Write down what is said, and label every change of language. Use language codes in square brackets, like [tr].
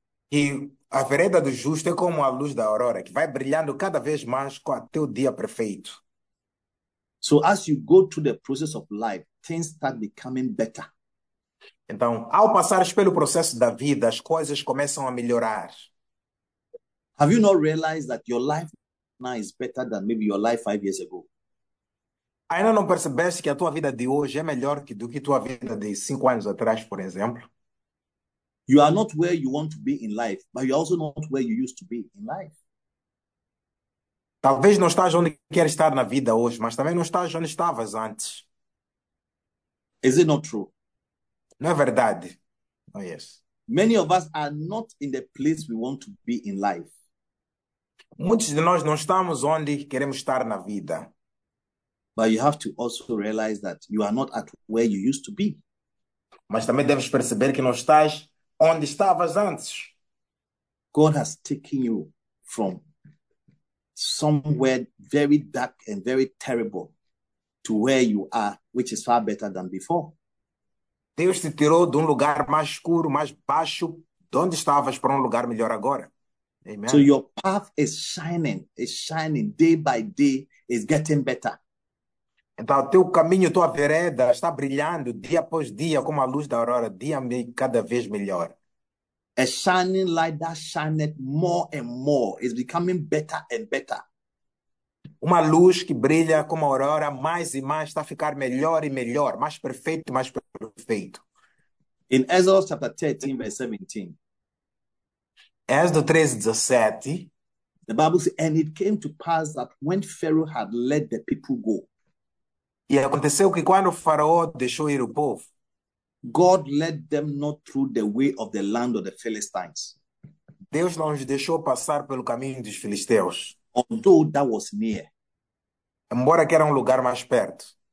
[pt] E a vereda do justo é como a luz da aurora, que vai brilhando cada vez mais com até o dia perfeito. [en] So as you go through the process of life, things start becoming better. [pt] Então, ao passares pelo processo da vida, as coisas começam a melhorar. [en] Have you not realized that your life now is better than maybe your life 5 years ago? [pt] Ainda não percebeste que a tua vida de hoje é melhor do que a tua vida de 5 anos atrás, por exemplo? [en] You are not where you want to be in life, but you are also not where you used to be in life. [pt] Talvez não estás onde queres estar na vida hoje, mas também não estás onde estavas antes. [en] Is it not true? [pt] Não é verdade? [en] Oh, yes. Many of us are not in the place we want to be in life. [pt] Muitos de nós não estamos onde queremos estar na vida. [en] But you have to also realize that you are not at where you used to be. [pt] Mas também deves perceber que não estás onde estavas antes. [en] God has taken you from somewhere very dark and very terrible to where you are, which is far better than before. [pt] Deus te tirou de um lugar mais escuro, mais baixo, de onde estavas, para um lugar melhor agora. [en] Amen. So your path is shining day by day, is getting better. [pt] Então, teu caminho, tua vereda está brilhando dia após dia, como a luz da aurora, dia cada vez melhor. [en] A shining light that shines more and more is becoming better and better. [pt] Uma luz que brilha como a aurora mais e mais está a ficar melhor e melhor, mais perfeito e mais perfeito. [en] In Exodus chapter 13, verse 17. [pt] Êxodo 13, 17. [en] The Bible says, and it came to pass that when Pharaoh had let the people go, [pt] e aconteceu que quando o faraó deixou ir o povo, [en] God led them not through the way of the land of the Philistines. [pt] Deus não os deixou passar pelo caminho dos filisteus. [en] Although that was near. [pt] Embora que era lugar mais perto.